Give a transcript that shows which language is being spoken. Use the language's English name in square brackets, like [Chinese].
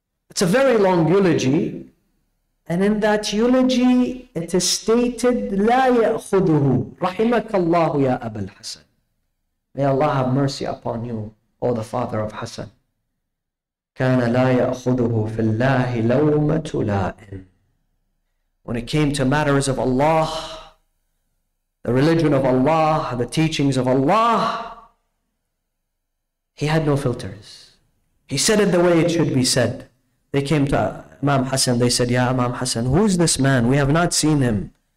[English] It's a very long eulogy. And in that eulogy, it is stated, [Arabic] لا يأخذه رحمك الله يا أبا الحسن. [English] May Allah have mercy upon you, O the father of Hassan. [Arabic] كان لا يأخذه في الله لومة لائم. [English] When it came to matters of Allah, the religion of Allah, the teachings of Allah, he had no filters. He said it the way it should be said. They came to Imam Hassan, they said, Ya Imam Hassan, who is this man? We have not seen him.